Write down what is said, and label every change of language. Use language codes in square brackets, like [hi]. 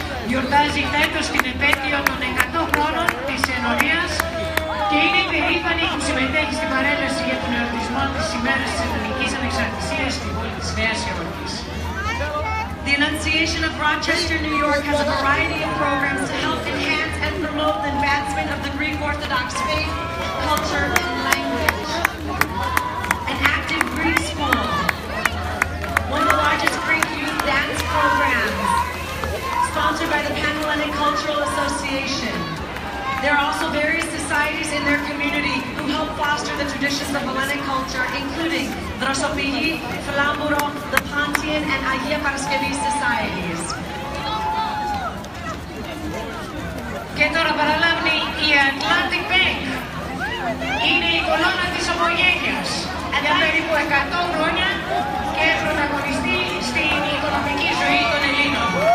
[el] Γιορτάζει φέτος την επέτειο των 100 χρόνων της ενορίας Και είναι περήφανη που συμμετέχει στην παρέλαση για τον εορτισμό της ημέρας της Εθνικής Ανεξαρτησίας στην πόλη της Νέας Υόρκης. [en] The Annunciation of Rochester, New York has a variety of programs to help enhance and promote the advancement of the Greek Orthodox faith, culture, and language. An active Greek school, one of the largest Greek youth dance programs, sponsored by the Panhellenic Cultural Association. There are also various societies in their community who help foster the traditions of Hellenic culture, including Drosophili, Flamburo, the Pantheon, and Agia Paraskevi societies. [el] Και τώρα παραλάβει η Atlantic Bank. Είναι η κολόνα της ομογένειας για περίπου 100 χρόνια και πρωταγωνιστεί στην οικονομική ζωή των Ελλήνων.